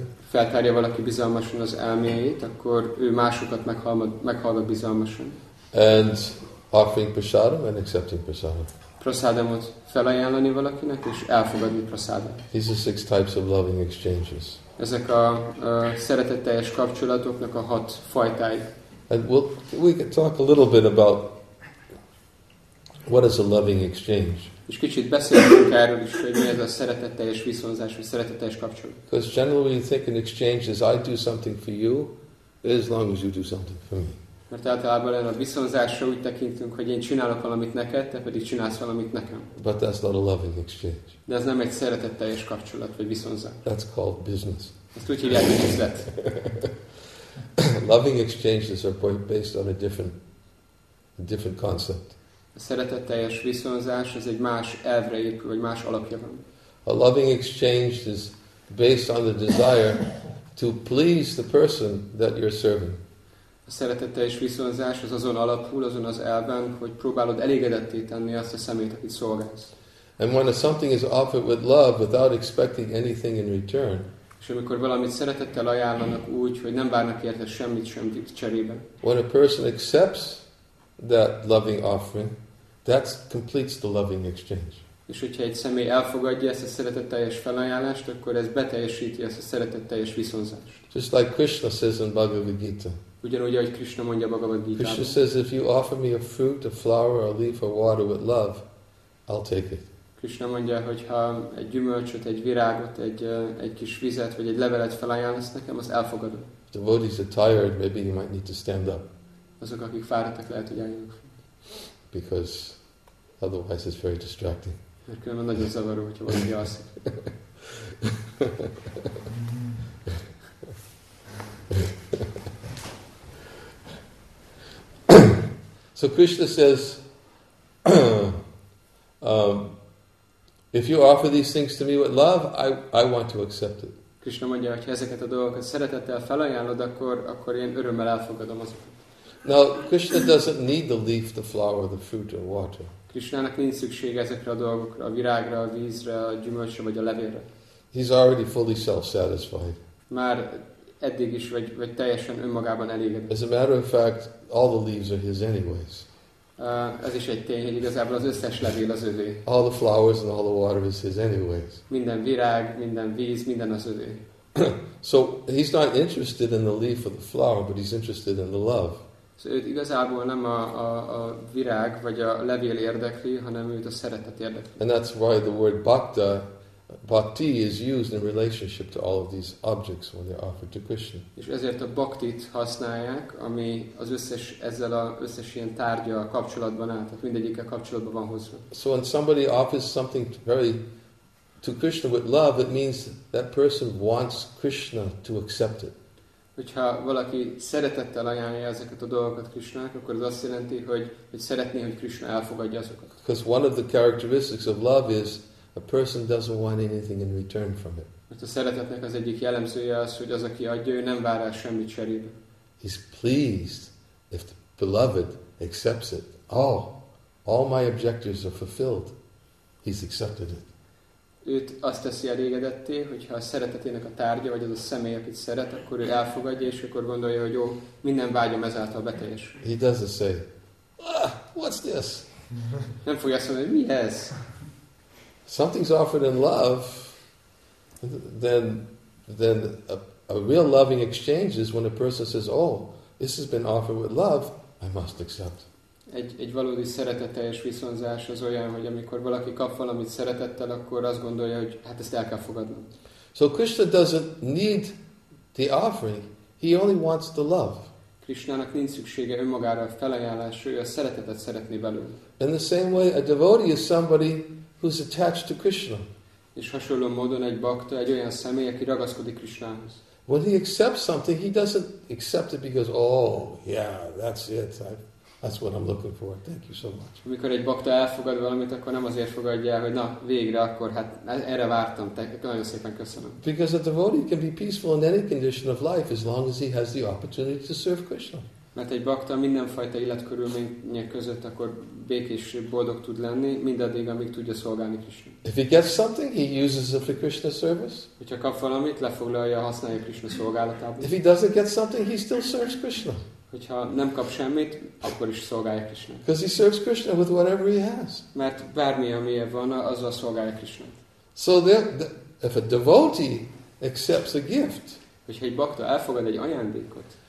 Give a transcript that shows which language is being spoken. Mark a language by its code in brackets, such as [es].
[hu] Feltárja valaki bizalmasan az elméjét, akkor ő másokat meghallgat bizalmasan. [en] And offering prasadam and accepting prasadam. [hu] Prasadamot felajánlani valakinek és elfogadni prasadam. [en] These are six types of loving exchanges. [hu] Ezek a szeretetteljes kapcsolatoknak a hat fajtái. [en] And we could talk a little bit about what is a loving exchange. [hu] És kicsit beszélünk erről is, hogy mi ez a szeretetteljes viszonzás, vagy szeretetteljes kapcsolat. [en] Because generally you think an exchange is I do something for you, as long as you do something for me. [hu] Mert általában erre a viszonzásra úgy tekintünk, hogy én csinálok valamit neked, te pedig csinálsz valamit nekem. [en] But that's not a loving exchange. [hu] De ez nem egy szeretetteljes kapcsolat, vagy viszonzás. [en] That's called business. [hu] Ezt úgy hívják, hogy üzlet. [en] Loving exchanges are based on a different concept. [hu] A szeretetteljes viszonzás az egy más elvre épül, vagy más alapja van. [en] A loving exchange is based on the desire to please the person that you're serving. [hu] A szeretetteljes viszonzás az azon alapul, azon az elven, hogy próbálod elégedetté tenni azt a szemét, akit szolgálsz. [en] And when something is offered with love, without expecting anything in return. [hu] És amikor valamit szeretettel ajánlanak úgy, hogy nem várnak érte semmit sem cserébe. [en] When a person accepts that loving offering, that completes the loving exchange. [hu] És hogyha egy személy elfogadja ezt a szeretetteljes felajánlást, akkor ez beteljesíti ezt a szeretetteljes viszonzást. [en] Just like Krishna says in Bhagavad Gita. [hu] Ugyanúgy, ahogy Krishna mondja Bhagavad Gita. [en] Krishna says, if you offer me a fruit, a flower, a leaf, or water with love, I'll take it. [hu] Krishna mondja, hogyha egy gyümölcsöt, egy virágot, egy kis vizet, vagy egy levelet felajánlasz nekem, az elfogadom. [en] The devotees are tired, maybe you might need to stand up. [hu] Azok, akik fáradtak, lehet, hogy álljanak. [en] Because otherwise it's very distracting. [hu] Mert különben nagyon zavaró, hogyha valaki alszik. [en] So Krishna says, if you offer these things to me with love, I want to accept it. [hu] Krishna mondja, hogy ezeket a dolgokat szeretettel felajánlod, akkor én örömmel elfogadom azokat. [en] Now, Krishna doesn't need the leaf, the flower, the fruit, or water. [hu] Krishnának nincs szüksége ezekre a dolgokra, a virágra, a vízre, a gyümölcsre vagy a levélre. [en] He's already fully self-satisfied. [hu] Már eddig is vagy teljesen önmagában elégedett. [en] As a matter of fact, all the leaves are his anyways. [hu] Ez is egy tény, hogy igazából az összes levél az övé. [en] All the flowers and all the water is his anyways. [hu] Minden virág, minden víz, minden az övé. [en] So he's not interested in the leaf or the flower, but he's interested in the love. [hu] Őt igazából nem a virág vagy a levél érdekli, hanem őt a szeretet érdekli. [en] And that's why the word bhakta Bhakti is used in relationship to all of these objects when they're offered to Krishna. [hu] És ezért a bhaktit használják, ami az összes ezzel az összes ilyen tárgyal kapcsolatban áll, tehát mindegyikkel kapcsolatban van hozva. [en] So when somebody offers something very to Krishna with love, it means that person wants Krishna to accept it. [hu] Hogyha valaki szeretettel ajánlja ezeket a dolgokat Krishnának, akkor ez azt jelenti, hogy szeretné, hogy Krishna elfogadja azokat. [en] Because one of the characteristics of love is a person doesn't want anything in return from it. [hu] Mert a szeretetnek az egyik jellemzője az, hogy az, aki adja, ő nem vár el semmit cserébe. [en] He's pleased if the beloved accepts it. Oh, all my objectives are fulfilled. He's accepted it. [hu] Őt azt teszi elégedetté, hogyha a szeretetének a tárgya, vagy az a személy, akit szeret, akkor ő elfogadja, és akkor gondolja, hogy jó, minden vágyom ezáltal beteljes. [en] He doesn't say, ah, what's this? [hu] Nem fogja azt mondani, mi ez? [en] Something's offered in love, then a real loving exchange is when a person says, "Oh, this has been offered with love. I must accept." [hu] Egy valódi szeretetteljes viszonzás az olyan, hogy amikor valaki kap valamit szeretettel, akkor azt gondolja, hogy hát ezt el kell fogadnom. [en] So Krishna doesn't need the offering; he only wants the love. [hu] Krishnának nincs szüksége önmagára felajánlásra, ő a szeretetet szeretné belőle. [en] In the same way, a devotee is somebody who's attached to Krishna. [hu] És hasonló módon egy bhakta egy olyan személy, aki ragaszkodik Krishnához. [en] When he accepts something, he doesn't accept it because, oh, yeah, that's it. That's what I'm looking for. Thank you so much. [hu] Amikor egy bhakta elfogad valamit, akkor nem azért fogadja, hogy na, végre, akkor hát erre vártam. Nagyon szépen köszönöm. [en] Because a devotee can be peaceful in any condition of life as long as he has the opportunity to serve Krishna. [hu] Mert egy bhakta mindenfajta életkörülmények között akkor békés boldog tud lenni, mindaddig, amíg tudja szolgálni Krishna. [en] If he gets something, he uses it for Krishna service. [hu] Hogyha kap valamit, lefoglalja, használja Krishna szolgálatában. [en] If he doesn't get something, he still serves Krishna. [hu] Hogyha nem kap semmit, akkor is szolgálja Krishna. [en] Because he serves Krishna with whatever he has. [hu] Mert bármi, ami van, azzal szolgálja Krishna. [en] So there, if a devotee accepts a gift, [hu] hogyha egy bhakta elfogad egy ajándékot,